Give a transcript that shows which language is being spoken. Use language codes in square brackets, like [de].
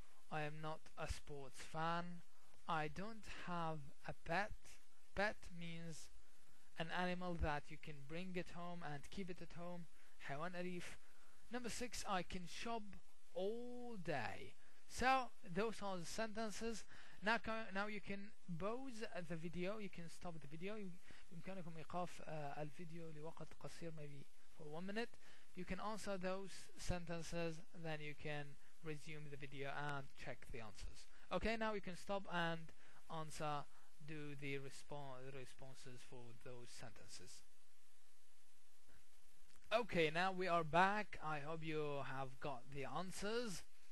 [en] I am not a sports fan. I don't have a pet. Pet means an animal that you can bring it home and keep it at home. [ar] حيوان أليف. [en] Number six, I can shop all day. So those are the sentences. Now you can pause the video. You can stop the video. [ar] يمكنكم إيقاف الفيديو لوقت قصير, [en] maybe for 1 minute. You can answer those sentences, then you can resume the video and check the answers. Okay, now you can stop and answer, do the responses for those sentences. Okay, now we are back. I hope you have got the answers.